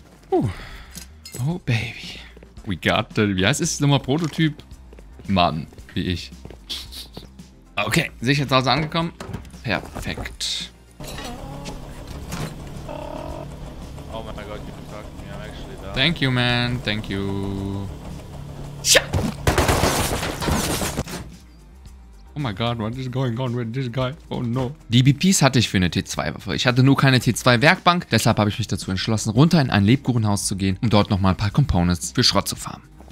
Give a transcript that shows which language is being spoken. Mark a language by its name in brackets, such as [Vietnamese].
[English] Oh, baby. We got the... [German] Wie heißt es nochmal? Prototyp? Mann, wie ich. Okay, sicher zu Hause angekommen. Perfekt. Oh mein Gott, [English] you can talk to me. I'm actually down. Thank you, man. Thank you. Tja! Oh my god, what is going on with this guy? Oh no. [German] Die BPs hatte ich für eine T2-Waffe. Ich hatte nur keine T2-Werkbank, deshalb habe ich mich dazu entschlossen, runter in ein Lebkuchenhaus zu gehen, um dort nochmal ein paar Components für Schrott zu farmen.